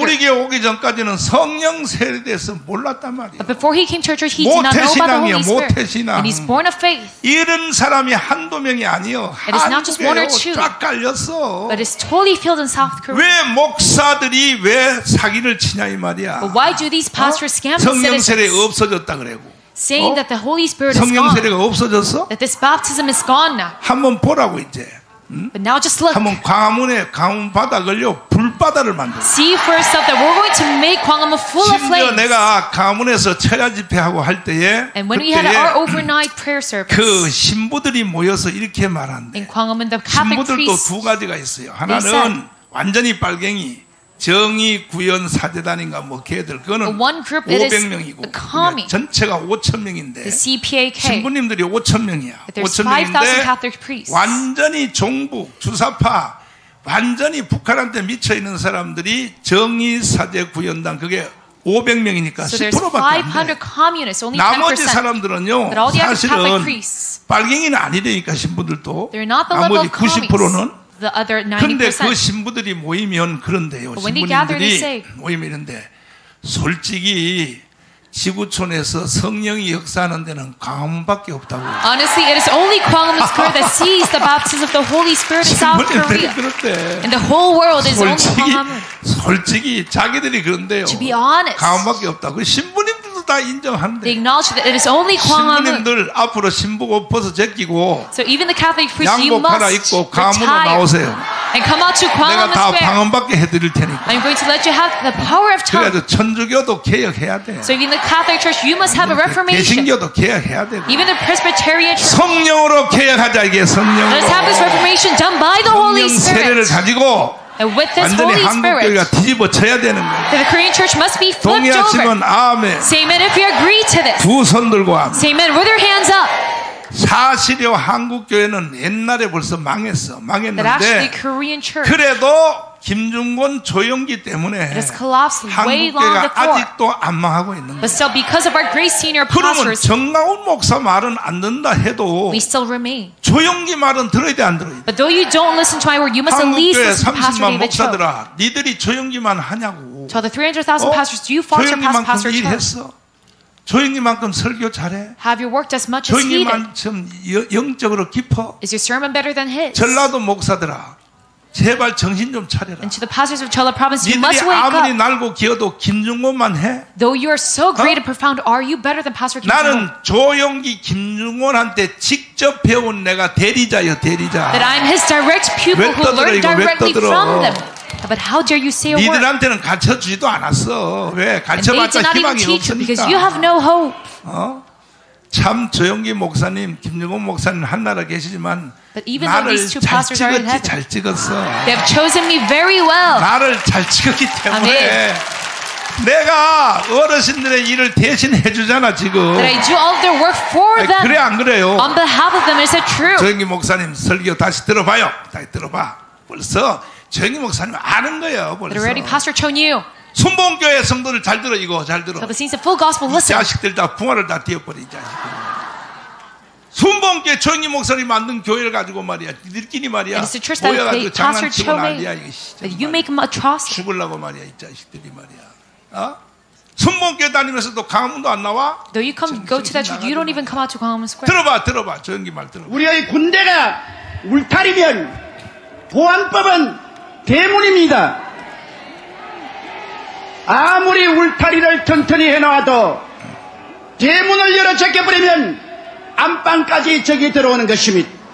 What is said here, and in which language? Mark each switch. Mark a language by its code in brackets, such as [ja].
[ko] 근데 우리에게 오기 전까지는 성령 세례에 대해서 몰랐단 말이야. [en] But before he came to church, he did not know about the Holy Spirit. [ko] 모태신앙. [en] And he's born of faith. [ko] 이런 사람이 한두 명이 아니요. [en] It is not just one or two. [ko] 쫙 갈렸어. [en] But it's totally filled in South Korea. [ko] 왜 목사들이 왜 사기를 치냐 이 말이야. [en] But why do these pastors scam themselves? [ko] 성령 세례 없어졌다 그래고. [en] Saying that the Holy Spirit is gone. [ko] 성령 세례가 없어졌어? [en] That this baptism is gone now. [ko] 한번 보라고 이제. [en] But now just look. [ko] 한번 광화문에 광화문 바닥을요 불바다를 만들. [en] See for yourself that we're going to make Gwanghwamun full of flames. [ko] 심지어 내가 광화문에서 철야 집회하고 할 때에 [en] And when we had our overnight prayer service. [ko] 그 신부들이 모여서 이렇게 말한대. [en] In Gwanghwamun, the Catholic priests. [ko] 신부들도 두 가지가 있어요. 하나는 완전히 빨갱이. 정의 구현 사제단인가 뭐 걔들 그거는 500명이고 그러니까 전체가 5,000명인데 CPAK, 신부님들이 5,000명이야. 5,000명인데 완전히 종북 주사파 완전히 북한한테 밀쳐 있는 사람들이 정의 사제 구현단 그게 500명이니까 10%밖에 안 돼. 나머지 사람들은요 사실은 빨갱이는 아니래니까 신부들도 나머지 90%는 [en] The other 90%. [ko] 근데 그 신부들이 모이면 그런데요. 신부님들이 모이면 이런데 솔직히 지구촌에서 성령이 역사하는 데는 광화문밖에 없다고. [en] Honestly, it is only Gwanghwamun Square that sees the baptism of the Holy Spirit in South Korea. [ko] 그렇대. [en] And the whole world is only Gwanghwamun. [ko] 솔직히 자기들이 그런데요. [en] To be honest, [ko] 광화문밖에 없다고. 신부님들도 다 인정한대. [en] They acknowledge that it is only Gwanghwamun. [ko] 신부님들 앞으로 신부 옷 벗어 제끼고. [en] So even the Catholic priests, you must retire. [ko] 갈아입고 광화문으로 나오세요. [en] And come out to Gwanghwamun Square. [ko] 내가 다 광화문밖에 해드릴 테니까. [en] I'm going to let you have the power of tongues. [ko] 그래도 천주교도 개혁해야 돼. [en] So even the Catholic Church, you must have a reformation. [ko] 개신교도 개혁해야 돼. [en] Even the Presbyterian Church. [ko] 성령으로 개혁하자 이게 성령으로. [en] Let's have this reformation done by the Holy Spirit. [ko] 성령 세례를 가지고. [en] And with this Holy Spirit. [ko] 완전히 한국 교회가 뒤집어쳐야 되는 거야. [en] The Korean Church must be flipped over. [ko] 동의하시면 아멘. [en] Say amen if you agree to this. [ko] 두 손 들고 아멘. [en] Say amen with your hands up. [ko] 사실요 한국 교회는 옛날에 벌써 망했어. 망했는데. [en] That actually Korean Church. [ko] 그래도 김중곤 조영기 때문에 한국교회가 아직도 안 망하고 있는 거예요. [en] But still, because of our great senior pastors, [ko] 그러면 정나온 목사 말은 안 된다 해도 [en] we still remain. [ko] 조영기 말은 들어야 돼 안 들어야 돼. [en] But though you don't listen to my word, you must at least listen to Pastor David Cho. [ko] 30만 목사들아, 니들이 조영기만 하냐고. [en] To the 300,000 pastors, do you follow your past pastor Cho? [ko] 조영기만큼 일했어. 조인님만큼 설교 잘해? [en] Have you worked as much as he? [ko] 조인님만큼 영적으로 깊어? [en] Is your sermon better than his? [ko] 전라도 목사들아, 제발 정신 좀 차려라. [en] And to the pastors of Chola Province, you must wake up. [ko] 아무리 날고 기어도 김중원만 해? [en] Though you are so great and profound, are you better than Pastor Kim? [ko] 나는 조영기 김중원한테 직접 배운 내가 대리자여 대리자. [en] That I'm his direct pupil who learned directly from them. But how dare you say a word? [ko] 니들한테는 가르쳐 주지도 않았어. 왜 가르쳐봤자 희망이 없으니까. [en] Because you have no hope. [ko] 참 조영기 목사님, 김중원 목사님 한나라 계시지만 나를 잘 찍었지, 잘 찍었어. [en] They've chosen me very well. [ko] 나를 잘 찍었기 때문에 내가 어르신들의 일을 대신 해주잖아 지금. [en] That I do all their work for them. [ko] 그래 안 그래요? [en] On behalf of them, is it true? [ko] 조영기 목사님 설교 다시 들어봐요. 다시 들어봐. 벌써 조영기 목사님 아는 거예요 벌써. [en] That already Pastor Chong knew. [ko] 순봉교회 성도들 잘 들어 이거 잘 들어. [en] So the scenes of full gospel, listen. [ko] 이 자식들 다 부활을 다 뛰어버리자. 순봉교회 조영기 목사님 만든 교회를 가지고 말이야. 니들끼리 말이야. 모여가지고 장난치고 난리야 이거. [en] You make them atrocity. [ko] 죽을라고 말이야 이 자식들이 말이야. 순봉교회 다니면서도 강화문도 안 나와? [en] Though you come go to that church, you don't even come out to Gwanghwamun Square. [ko] 들어봐 들어봐 조영기 말 들어. 우리의 군대가 울타리면 보안법은 대문입니다. 아무리 울타리를 튼튼히 해놓아도 대문을 열어 제껴버리면 안방까지 적이 들어오는 것입니다.